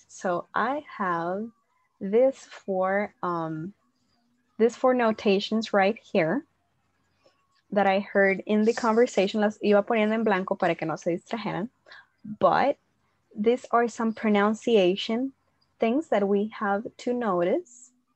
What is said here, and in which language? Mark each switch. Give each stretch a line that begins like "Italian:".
English: So I have these four notations right here that I heard in the conversation.
Spanish: Las iba poniendo en blanco para que no se distrajeran.
English: But these are some pronunciation things that we have to notice.